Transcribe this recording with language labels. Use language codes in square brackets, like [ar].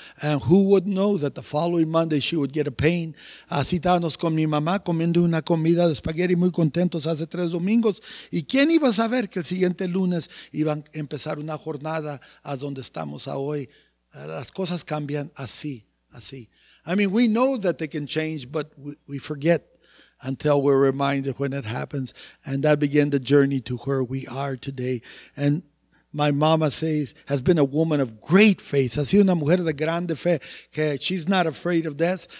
[en] And who would know that the following Monday she would get a pain. [es] Así estábamos con mi mamá comiendo una comida de spaghetti muy contentos hace tres domingos. ¿Y quién iba a saber que el siguiente lunes iban a empezar una jornada a donde estamos a hoy? Las cosas cambian así. [en] I mean, we know that they can change, but we forget until we're reminded when it happens. And that began the journey to where we are today. And my mama says, has been a woman of great faith. [es] Ha sido una mujer de grande fe. Que [en] she's not afraid of death.